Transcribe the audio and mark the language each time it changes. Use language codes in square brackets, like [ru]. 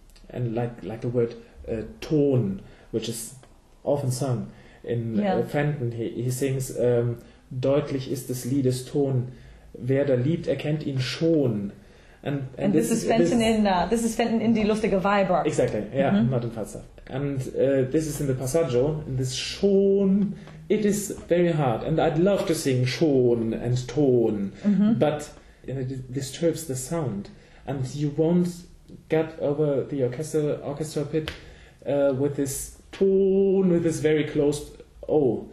[en] and like the word torn, which is often sung in Fenton. He sings [de] deutlich ist des Liedes Ton, wer da liebt erkennt ihn schon. [en] And this is Fenton in Die lustige Weiber. Exactly, yeah, mm-hmm. not in Falstaff. And this is in the passaggio, in this schon. It is very hard, and I'd love to sing schon and ton, mm-hmm. but it disturbs the sound, and you won't get over the orchestra pit with this ton, with this very closed O.